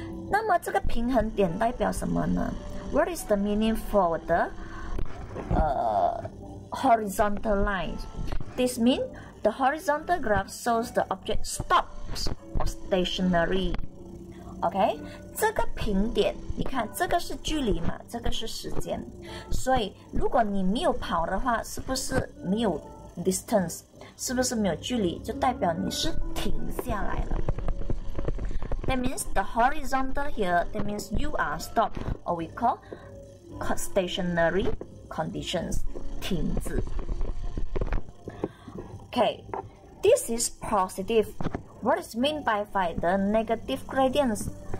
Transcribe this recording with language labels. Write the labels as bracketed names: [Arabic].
[Chinese] 那么这个平衡点代表什么呢？ [English] What is the meaning for the horizontal line? This means the horizontal graph shows the object stops or stationary. [Chinese] OK, 这个平点，你看这个是距离嘛，这个是时间，所以如果你没有跑的话，是不是没有distance 是不是没有距离，就代表你是停下来了。 [English] That means the horizontal here, that means you are stopped, or we call stationary conditions, 停止。 Okay, this is positive. What is mean by the negative gradients?